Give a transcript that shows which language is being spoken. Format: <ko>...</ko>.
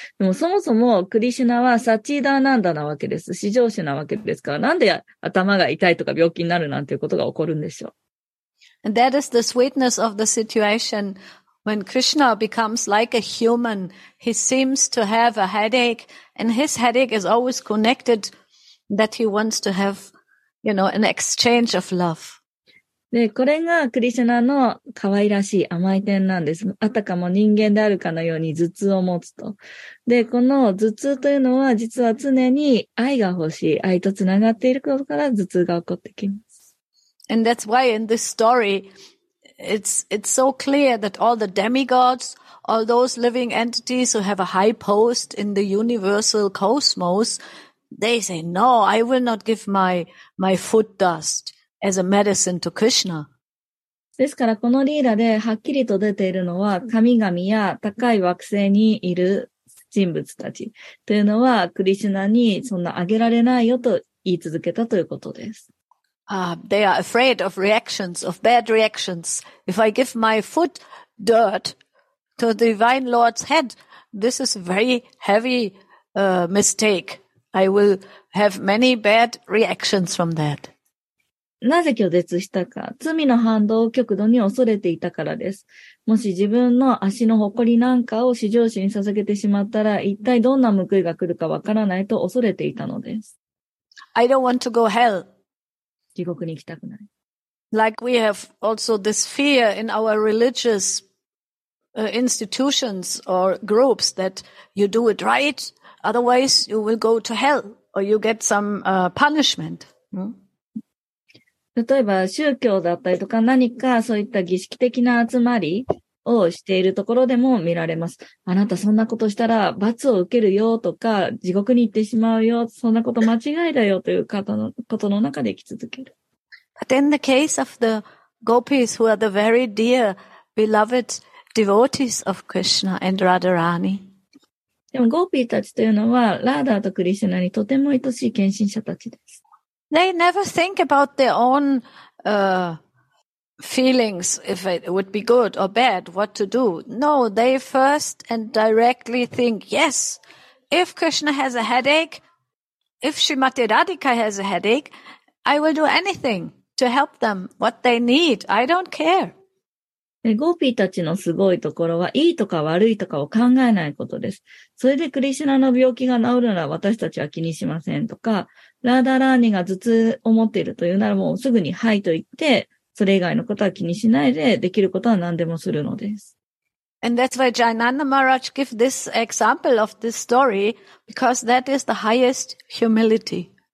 <ja>でもそもそもクリシュナはサチーダーナンダなわけです。至上主なわけですから、なんで頭が痛いとか病気になるなんていうことが起こるんでしょう。</ja> <en>That is the sweetness of the situation. When Krishna becomes like a human, he seems to have a headache, and his headache is always connected that he wants to have, you know, an exchange of love.</en> <ja>で、これがクリシュナの可愛らしい甘い点なんです。あたかも人間であるかのように頭痛を持つと。で、この頭痛というのは実は常に愛が欲しい、愛とつながっていることから頭痛が起こってきます。</ja> <en>And that's why in this story, it's so clear that all the demigods, all those living entities who have a high post in the universal cosmos, they say, no, I will not give my foot dust. As a medicine to Krishna.</en> <ja>ですからこのリーラではっきりと出ているのは神々や高い惑星にいる人物たちというのはクリシュナにそんなあげられないよと言い続けたということです。</ja> <en>They are afraid of reactions, of bad reactions. If I give my foot dirt to the Divine Lord's head, this is very heavy mistake. I will have many bad reactions from that.</en> <ja>なぜ拒絶したか。罪の反動を極度に恐れていたからです。もし自分の足の誇りなんかを至上主に捧げてしまったら、一体どんな報いが来るかわからないと恐れていたのです。</ja> <en>I don't want to go hell.</en> <ja>地獄に行きたくない。</ja> <en>Like we have also this fear in our religious institutions or groups that you do it right, otherwise you will go to hell or you get some punishment.</en> <ja>例えば宗教だったりとか何かそういった儀式的な集まりをしているところでも見られます。あなたそんなことしたら罰を受けるよとか地獄に行ってしまうよ、そんなこと間違いだよという方のことの中で生き続ける。</ja> <en>But in the case of the gopis who are the very dear beloved devotees of Krishna and Radharani.</en> <ja>でもゴーピーたちというのはラーダーとクリシュナにとても愛しい献身者たちです。</ja> <en>They never think about their own feelings, if it would be good or bad, what to do. No, they first and directly think, yes, if Krishna has a headache, if Srimati Radhika has a headache, I will do anything to help them, what they need. I don't care.</en> <ja>ゴーピーたちのすごいところは、いいとか悪いとかを考えないことです。それでクリシュナの病気が治るなら私たちは気にしませんとか、ラーダラーニが頭痛を持っているというならもうすぐにはいと言って、それ以外のことは気にしないで、できることは何でもするのです。</ja> <en>And that's why Jainanda Maharaj gives this example of this story, because that is the highest humility.</en>